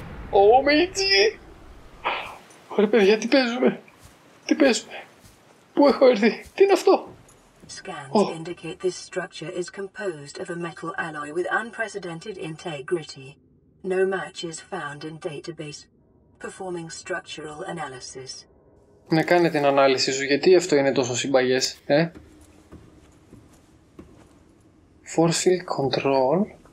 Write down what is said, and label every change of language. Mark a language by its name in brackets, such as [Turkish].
[English] OMG. [Greek] Ωραία παιδιά, τι παίζουμε. Τι παίζουμε. Πού έχω έρθει, τι είναι αυτό. [English] Scans indicate this structure is composed of a metal alloy with unprecedented integrity. No match is found in database. Performing structural analysis. [Greek] Ναι, κάνε την ανάλυση σου, γιατί αυτό είναι τόσο συμπαγές, ε. [English] Force field control.